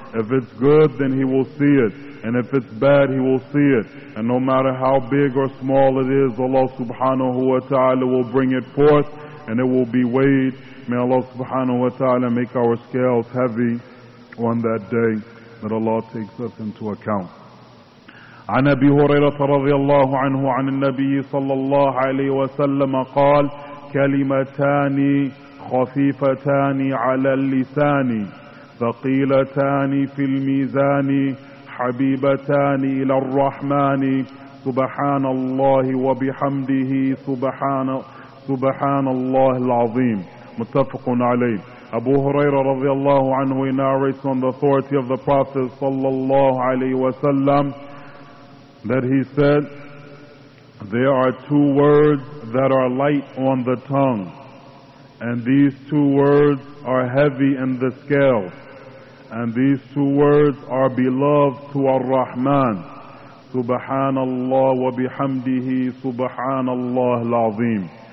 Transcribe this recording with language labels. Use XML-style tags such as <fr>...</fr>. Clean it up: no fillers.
<en>If it's good, then he will see it, and if it's bad, he will see it. And no matter how big or small it is, Allah subhanahu wa ta'ala will bring it forth, and it will be weighed. May Allah subhanahu wa ta'ala make our scales heavy on that day that Allah takes us into account.</en> <ar>عن أبي هريرة رضي الله عنه عن النبي صلى الله عليه وسلم قال كلمتان خفيفتان على اللسان ثقيلتان في الميزان حبيبتان إلى الرحمن سبحان الله وبحمده سبحان الله العظيم. متفق عليه.</ar> <en>Abu Huraira radiallahu anhu, he narrates on the authority of the Prophet sallallahu alayhi wa sallam that he said, there are two words that are light on the tongue, and these two words are heavy in the scale, and these two words are beloved to Ar-Rahman,</en> <ar>Subhanallah wa bihamdihi Subhanallah al-Azim.</ar>